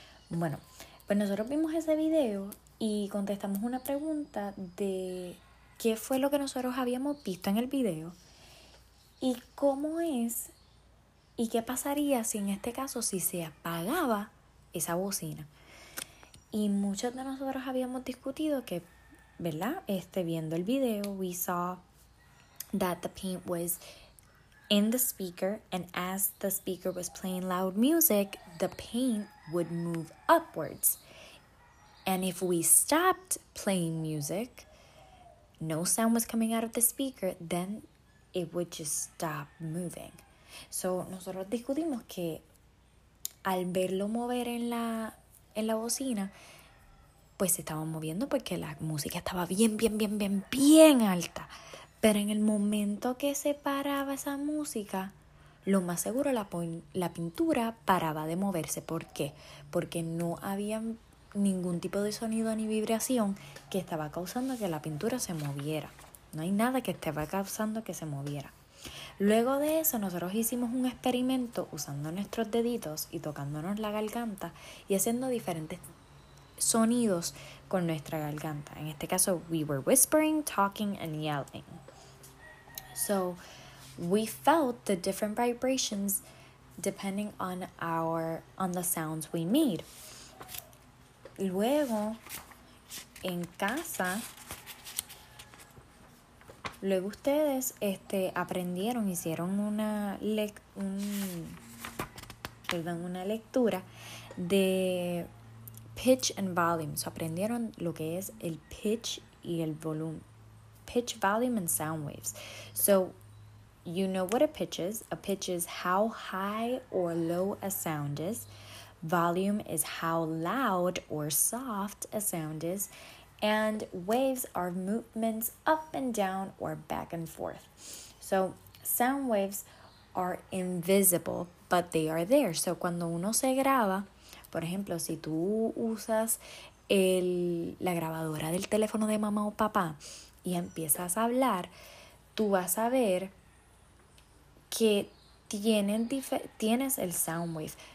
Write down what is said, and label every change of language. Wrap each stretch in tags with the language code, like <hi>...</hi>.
<es>Bueno, pues nosotros vimos ese video y contestamos una pregunta de qué fue lo que nosotros habíamos visto en el video. ¿Y cómo es? ¿Y qué pasaría si en este caso si se apagaba esa bocina? Y muchos de nosotros habíamos discutido que, ¿verdad? Viendo el video,</es> <en>we saw that the paint was in the speaker, and as the speaker was playing loud music, the paint would move upwards. And if we stopped playing music, no sound was coming out of the speaker, then it would just stop moving.</en> <es>So, nosotros discutimos que al verlo mover en la bocina, pues se estaba moviendo porque la música estaba bien, bien, bien, bien, bien alta. Pero en el momento que se paraba esa música, lo más seguro la pintura paraba de moverse. ¿Por qué? Porque no había ningún tipo de sonido ni vibración que estaba causando que la pintura se moviera. No hay nada que esté causando que se moviera. Luego de eso, nosotros hicimos un experimento usando nuestros deditos y tocándonos la garganta y haciendo diferentes sonidos con nuestra garganta. En este caso,</es> <en>we were whispering, talking, and yelling. So, we felt the different vibrations depending on the sounds we made.</en> <es>Luego, en casa, luego ustedes aprendieron, hicieron una lectura de</es> <en>pitch and volume.</en> <es>So aprendieron lo que es el pitch y el volumen.</es> <en>Pitch, volume, and sound waves. So you know what a pitch is. A pitch is how high or low a sound is. Volume is how loud or soft a sound is. And waves are movements up and down or back and forth. So sound waves are invisible, but they are there.</en> <es>So cuando uno se graba, por ejemplo, si tú usas la grabadora del teléfono de mamá o papá y empiezas a hablar, tú vas a ver que tienes el sound wave.</es>